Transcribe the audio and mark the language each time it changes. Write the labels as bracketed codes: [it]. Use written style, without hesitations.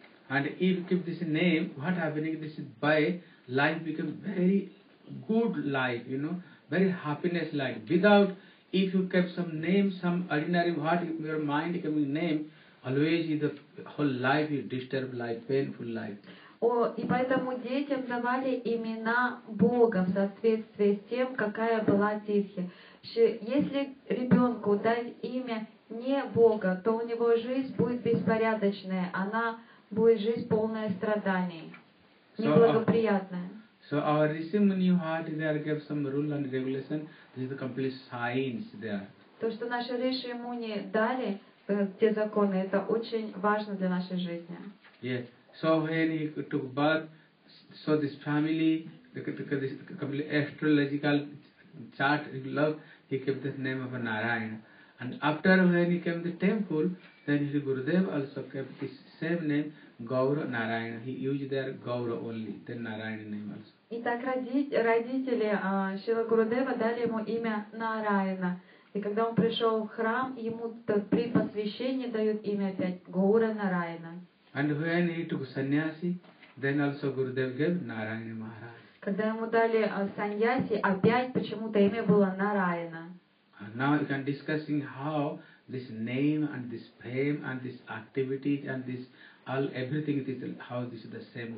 [en] And if you keep this name, what happening this by life becomes very good life, you know, very happiness life. Without, if you kept some name, some ordinary, what in your mind becoming name. Always is the whole life is disturbed life, painful life. [ru] И поэтому детям давали имена Бога в соответствии с тем, какая была тихи. Если ребенку дать имя не Бога, то у него жизнь будет беспорядочная, она будет жизнь полная страданий, неблагоприятная. [en] So our Rishi Muni heart there gave some rule and regulation. This is the complete science there. [ru] То, что наши Риши Муни дали. Те законы, это очень важно для нашей жизни. [en] Yeah. So when he took birth, so this family, this complete astrological chart, he kept the name of Narayana. And after when he came to the temple, then his Gurudev also kept the same name, Gaura Narayana. He used their Gaura only, then Narayana name also. [ru] Итак, родители Шрила Гурудева дали ему имя Нараяна. И когда он пришел в храм, ему при посвящении дают имя опять Гаура Нараяна. [en] And when he took sannyasi, then also Gurudev gave Narayana Maharaj. [ru] Когда ему дали sannyasi, опять почему-то имя было Нараяна. [en] Now we can discussing how this name and this fame and this activity and this all everything is how this is the same.